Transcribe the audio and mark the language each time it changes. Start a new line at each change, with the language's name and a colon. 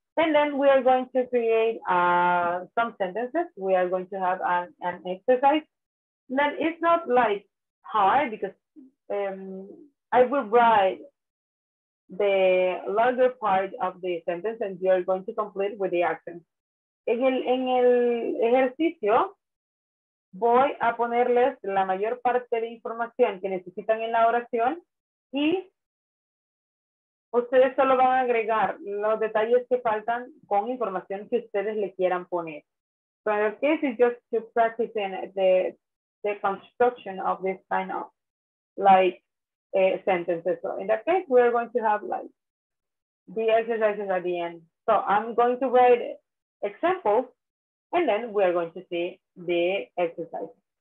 English: And then we are going to create some sentences. We are going to have an exercise. And then it's not like hard, because I will write the longer part of the sentence and you are going to complete with the accent.
Spanish: En el ejercicio voy a ponerles la mayor parte de información que necesitan en la oración y ustedes solo van a agregar los detalles que faltan con información que ustedes le quieran poner.
English: So in this case, it's just to practice in the construction of this kind of like sentences. So in that case, we are going to have like the exercises at the end. So I'm going to write examples and then we are going to see the exercises.